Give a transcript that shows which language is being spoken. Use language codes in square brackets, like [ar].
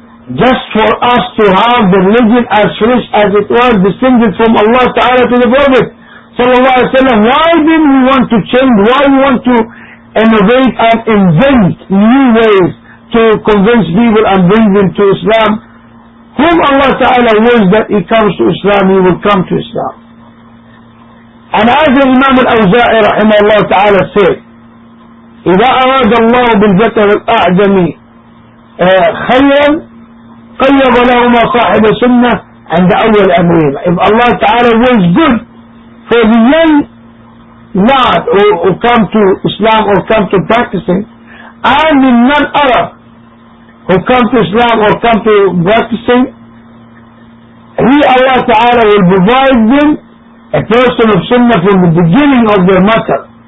[en] Just for us to have the religion as fresh as it was distinguished from Allah Ta'ala to the Prophet sallallahu alayhi wa sallam, why didn't we want to change? Why we want to innovate and invent new ways to convince people and bring them to Islam? Whom Allah Ta'ala wills that he comes to Islam, he will come to Islam. And as the Imam Al-Awza'i rahimahullah Ta'ala said, [ar] إِذَا أَرَادَ اللَّهُ بِالْبَتَرِ الْأَعْدَمِ خَيْرًا قَيَّضَ لَهُمَا صَاحِبَ سُنَّةِ عند أول أمرين. [en] If Allah Ta'ala wills good for the young lad who come to Islam or come to practicing, and the non-Arab who come to Islam or come to practicing, He Allah Ta'ala will provide them a person of sunnah from the beginning of their matter.